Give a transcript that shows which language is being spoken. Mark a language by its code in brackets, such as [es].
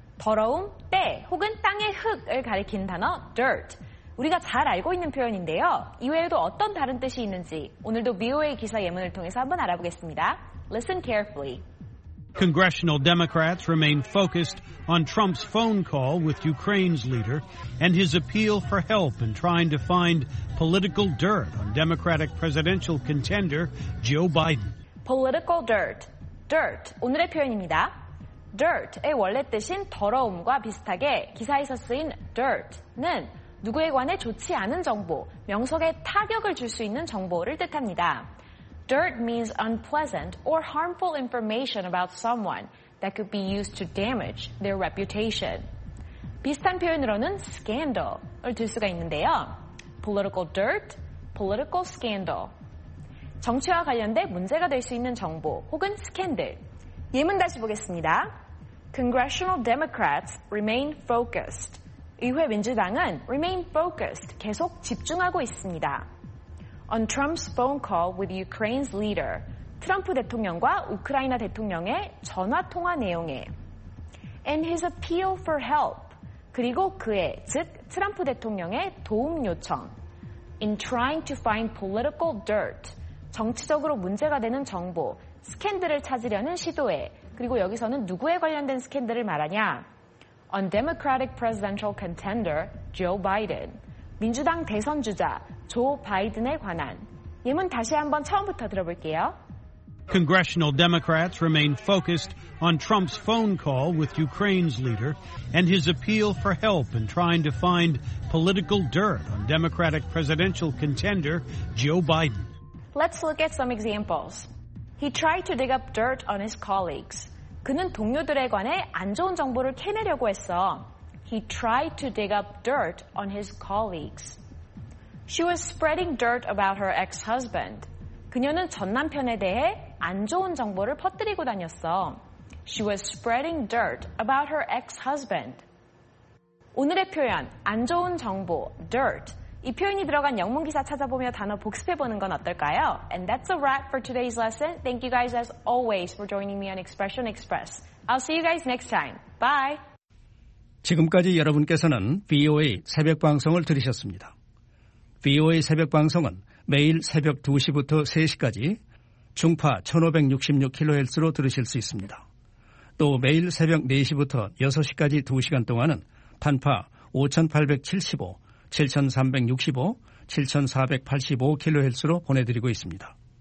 [ko] 더러움, 때 혹은 땅의 흙을 가리킨 단어 dirt. 우리가 잘 알고 있는 표현인데요. 이외에도 어떤 다른 뜻이 있는지 오늘도 VOA 기사 예문을 통해서 한번 알아보겠습니다. [en] Listen carefully. Congressional Democrats remain focused on Trump's phone call with Ukraine's leader and his appeal for help in trying to find political dirt on Democratic presidential contender Joe Biden. Political dirt. Dirt. [ko] 오늘의 표현입니다. Dirt의 원래 뜻인 더러움과 비슷하게 기사에서 쓰인 dirt는 누구에 관해 좋지 않은 정보, 명석에 타격을 줄 수 있는 정보를 뜻합니다. [en] Dirt means unpleasant or harmful information about someone that could be used to damage their reputation. [ko] 비슷한 표현으로는 scandal을 들 수가 있는데요. [en] Political dirt, political scandal. [ko] 정치와 관련돼 문제가 될 수 있는 정보 혹은 스캔들. 예문 다시 보겠습니다. [en] Congressional Democrats remain focused. [ko] 의회 민주당은 [en] remain focused, [ko] 계속 집중하고 있습니다. [en] On Trump's phone call with Ukraine's leader. [ko] 트럼프 대통령과 우크라이나 대통령의 전화 통화 내용에. [en] And his appeal for help. [ko] 그리고 그의, 즉 트럼프 대통령의 도움 요청. [en] In trying to find political dirt. [ko] 정치적으로 문제가 되는 정보, 스캔들을 찾으려는 시도에, 그리고 여기서는 누구에 관련된 스캔들을 말하냐? [en] On Democratic presidential contender Joe Biden. [ko] 민주당 대선 주자 조 바이든에 관한. 예문 다시 한번 처음부터 들어볼게요. [en] Congressional Democrats remain focused on Trump's phone call with Ukraine's leader and his appeal for help in trying to find political dirt on Democratic presidential contender Joe Biden. Let's look at some examples. He tried to dig up dirt on his colleagues. [ko] 그는 동료들에 관해 안 좋은 정보를 캐내려고 했어. [en] He tried to dig up dirt on his colleagues. She was spreading dirt about her ex-husband. [ko] 그녀는 전 남편에 대해 안 좋은 정보를 퍼뜨리고 다녔어. [en] She was spreading dirt about her ex-husband. [ko] 오늘의 표현, 안 좋은 정보, dirt. 이 표현이 들어간 영문 기사 찾아보며 단어 복습해보는 건 어떨까요? [en] And that's a wrap for today's lesson. Thank you guys as always for joining me on Expression Express. I'll see you guys next time. Bye! [ko] 지금까지 여러분께서는 VOA 새벽 방송을 들으셨습니다. VOA 새벽 방송은 매일 새벽 2시부터 3시까지 중파 1566kHz로 들으실 수 있습니다. 또 매일 새벽 4시부터 6시까지 2시간 동안은 단파 5875, 7365, 7485kHz로 보내드리고 있습니다.